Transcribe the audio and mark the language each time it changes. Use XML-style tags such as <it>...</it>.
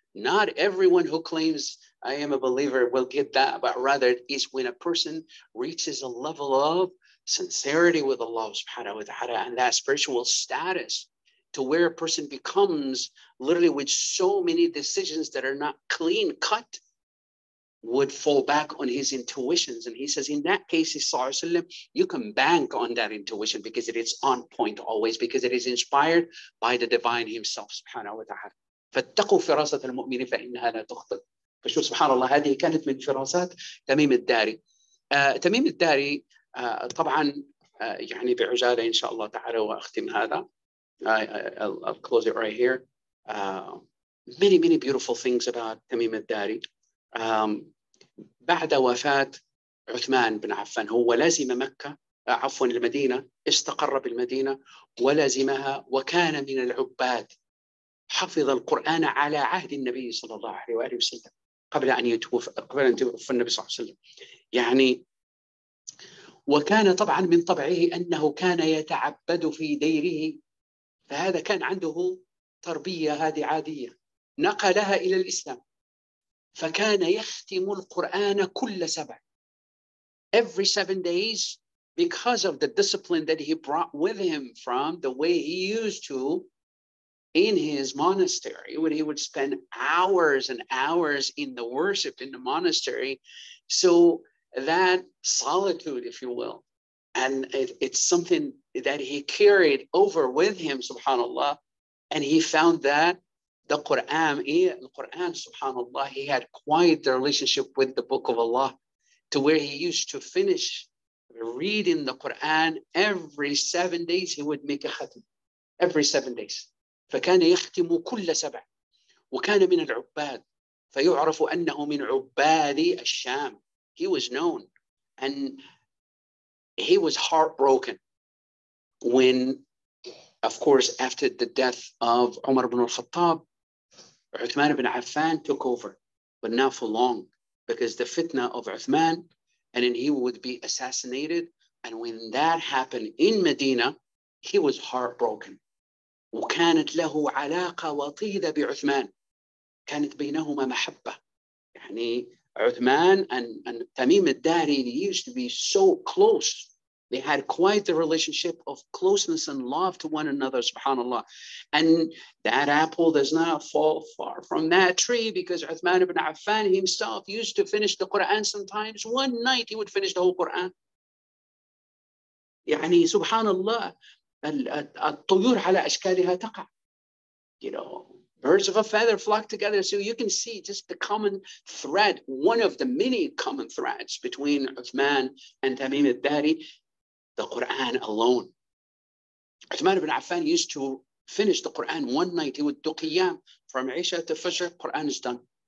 <en>Not everyone who claims I am a believer will get that, but rather it is when a person reaches a level of sincerity with Allah subhanahu wa ta'ala and that spiritual status, to where a person becomes literally with so many decisions that are not clean cut, would fall back on his intuitions. And he says, in that case, sallallahu alayhi wa sallam, you can bank on that intuition because it is on point always, because it is inspired by the divine himself, subhanahu wa ta'ala.</en> <ar>فَاتَّقُوا فِرَاسَةَ الْمُؤْمِنِ فَإِنَّهَا لَا تُخْطِئُ. فشوف سبحان الله, هذه كانت من فراسات تميم الداري. تميم الداري طبعا يعني بعجالة إن شاء الله تعالى وأختم هذا.</ar> <en>I'll close it right here. Many, many beautiful things about Tamim al-Dari.</en> <ar>بعد وفاة عثمان بن عفان, هو لازم مكة, عفوا المدينة, استقر بالمدينة ولازمها, وكان من العباد, حفظ القرآن على عهد النبي صلى الله عليه وسلم قبل أن يتوفى, قبل أن يتوفى النبي صلى الله عليه وسلم. يعني وكان طبعا من طبعه أنه كان يتعبد في ديره, فهذا كان عنده تربية هذه عادية نقلها إلى الإسلام. فكان يختم القرآن كل سبع,</ar> <en>every seven days, because of the discipline that he brought with him from the way he used to in his monastery, when he would spend hours and hours in the worship in the monastery. So that solitude, if you will, and it's something that he carried over with him, subhanallah, and he found that the Quran, subhanallah, he had quite the relationship with the book of Allah, to where he used to finish reading the Quran every 7 days. He would make a khatm every 7 days.</en> <ar>فكان يختم كل سبع وكان من العباد فيعرف أنه من عباد الشام.</ar> <en>He was known and he was heartbroken when, of course, after the death of Umar ibn al-Khattab, Uthman ibn Affan took over, but not for long, because the fitna of Uthman, and then he would be assassinated. And when that happened in Medina, he was heartbroken.</en> <ar>وكانت له علاقة وطيدة بعثمان, كانت بينهما محبة.</ar> <en>يعني Uthman and Tamim al-Dari, they used to be so close. They had quite the relationship of closeness and love to one another, subhanAllah. And that apple does not fall far from that tree, because Uthman ibn Affan himself used to finish the Quran sometimes. One night he would finish the whole Quran.</en> <ar>يعني subhanAllah, الطيور على أشكالها تقع.</ar> <en>You know, Birds of a feather flock together. So you can see just the common thread, one of the many common threads between Uthman and Tamim al-Dari, the Quran alone. Uthman ibn Affan used to finish the Quran one night. He would do qiyam from Isha to Fajr. Quran is done.</en>